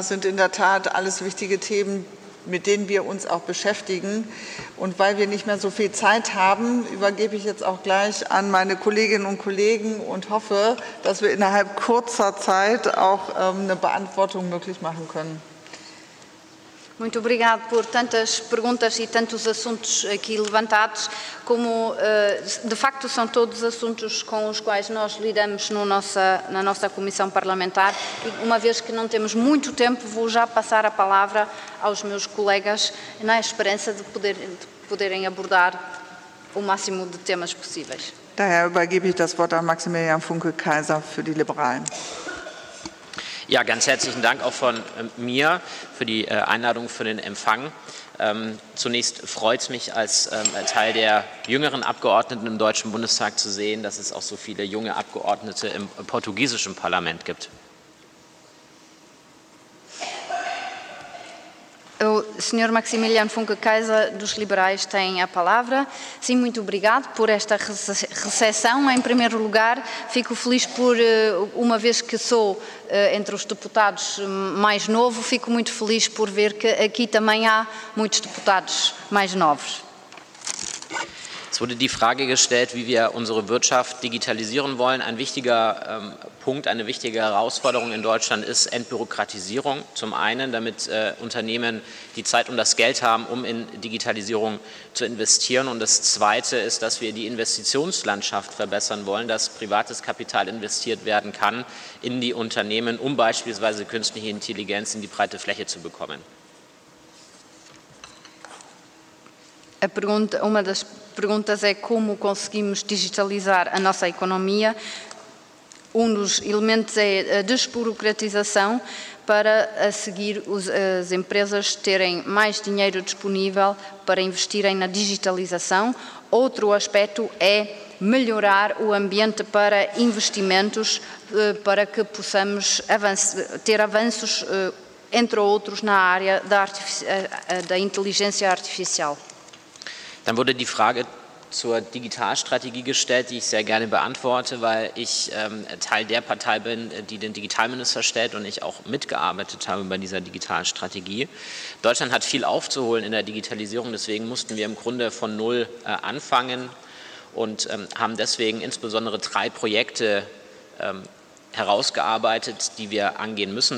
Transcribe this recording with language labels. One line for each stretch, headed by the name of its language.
German: Das sind in der Tat alles wichtige Themen, mit denen wir uns auch beschäftigen. Und weil wir nicht mehr so viel Zeit haben, übergebe ich jetzt auch gleich an meine Kolleginnen und Kollegen und hoffe, dass wir innerhalb kurzer Zeit auch eine Beantwortung möglich machen können.
Portuguese: Muito obrigado por tantas perguntas e tantos assuntos aqui levantados, como de facto são todos assuntos com os quais nós lidamos no na nossa Comissão Parlamentar. E uma vez que não temos muito tempo, vou já passar a palavra aos meus colegas, na esperança de poderem abordar o máximo de temas possíveis.
German: Daher übergebe ich das Wort an Maximilian Funke-Kaiser für die Liberalen. Ja, ganz herzlichen Dank auch von mir für die Einladung, für den Empfang. Zunächst freut es mich, als Teil der jüngeren Abgeordneten im Deutschen Bundestag zu sehen, dass es auch so viele junge Abgeordnete im portugiesischen Parlament gibt.
Portuguese: O Sr. Maximiliano Funke-Kaiser, dos Liberais, tem a palavra. Sim, muito obrigado por esta recepção. Em primeiro lugar, fico feliz por, uma vez que sou entre os deputados mais novo, fico muito feliz por ver que aqui também há muitos deputados mais novos.
German: Es wurde die Frage gestellt, wie wir unsere Wirtschaft digitalisieren wollen. Ein wichtiger Punkt, eine wichtige Herausforderung in Deutschland ist Entbürokratisierung. Zum einen, damit Unternehmen die Zeit und das Geld haben, um in Digitalisierung zu investieren. Und das Zweite ist, dass wir die Investitionslandschaft verbessern wollen, dass privates Kapital investiert werden kann in die Unternehmen, um beispielsweise künstliche Intelligenz in die breite Fläche zu bekommen.
Portuguese: Uma das perguntas é como conseguimos digitalizar a nossa economia. Um dos elementos é a desburocratização para, a seguir, as empresas terem mais dinheiro disponível para investirem na digitalização. Outro aspecto é melhorar o ambiente para investimentos, para que possamos ter avanços, entre outros, na área da inteligência artificial.
German: Dann wurde die Frage zur Digitalstrategie gestellt, die ich sehr gerne beantworte, weil ich Teil der Partei bin, die den Digitalminister stellt und ich auch mitgearbeitet habe bei dieser Digitalstrategie. Deutschland hat viel aufzuholen in der Digitalisierung, deswegen mussten wir im Grunde von null anfangen und haben deswegen insbesondere drei Projekte herausgearbeitet, die wir angehen müssen.